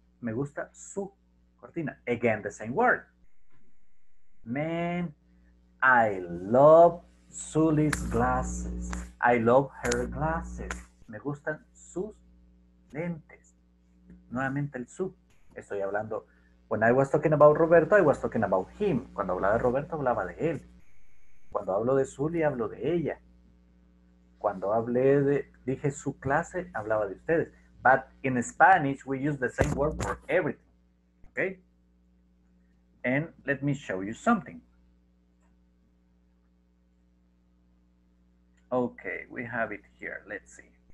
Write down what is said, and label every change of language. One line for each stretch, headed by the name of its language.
Spanish: Me gusta su cortina.
English: Again, the same word. Man, I love Sully's glasses. I love her glasses.
Spanish: Me gustan sus lentes. Nuevamente el su. Estoy hablando.
English: When I was talking about Roberto, I was talking about him.
Spanish: Cuando hablaba de Roberto, hablaba de él. Cuando hablo de Zully, hablo de ella. Cuando hablé de, dije su clase, hablaba de ustedes.
English: But in Spanish, we use the same word for everything. Okay? And let me show you something. Okay, we have it here. Let's see.